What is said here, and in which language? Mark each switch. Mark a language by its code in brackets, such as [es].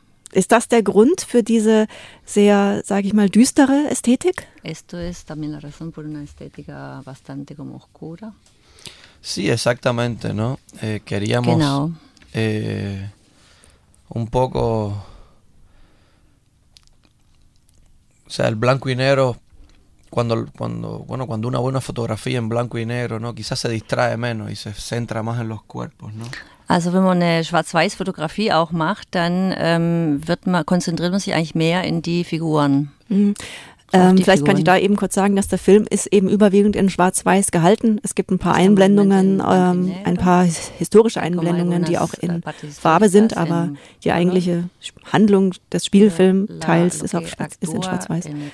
[de] Ist das der Grund für diese sehr, sage ich mal, düstere Ästhetik? [es] Esto es también la razón por una estética bastante como oscura. Sí, exactamente, ¿no? Queríamos [de] genau. [es] Un poco, o sea, el blanco y negro, cuando una buena fotografía en blanco y negro, ¿no? Quizás se distrae menos y se centra más en los cuerpos, ¿no? [de] Also wenn man eine Schwarz-Weiß-Fotografie auch macht, dann konzentriert man sich eigentlich mehr in die Figuren. Vielleicht Figuren. Kann ich da eben kurz sagen, dass der Film ist eben überwiegend in Schwarz-Weiß gehalten. Es gibt ein paar Einblendungen, ein paar historische Einblendungen, die auch in Farbe sind, aber die eigentliche Handlung des Spielfilmteils ist in Schwarz-Weiß.